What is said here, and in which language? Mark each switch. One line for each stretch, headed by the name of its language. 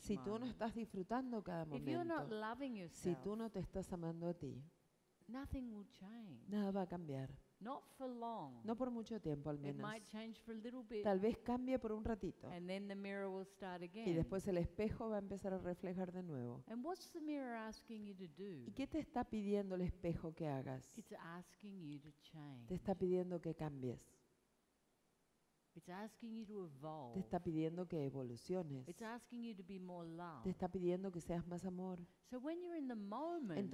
Spanish: si tú no estás disfrutando cada momento,
English: if you're not loving yourself,
Spanish: si tú no te estás amando a ti,
English: nothing will change.
Spanish: Nada va a cambiar.
English: Not for long.
Spanish: No por mucho tiempo al menos.
English: It might change for a little bit,
Spanish: tal vez cambie por un ratito.
English: And then the mirror will start again.
Spanish: Y después el espejo va a empezar a reflejar de nuevo.
English: And what's the mirror asking you to do?
Spanish: ¿Y qué te está pidiendo el espejo que hagas?
English: It's asking you to change.
Spanish: Te está pidiendo que cambies.
English: It's asking you to evolve.
Spanish: Te está pidiendo que evoluciones.
English: It's asking you to be more love.
Spanish: Te está pidiendo que seas más amor.
English: So when you're in the moment,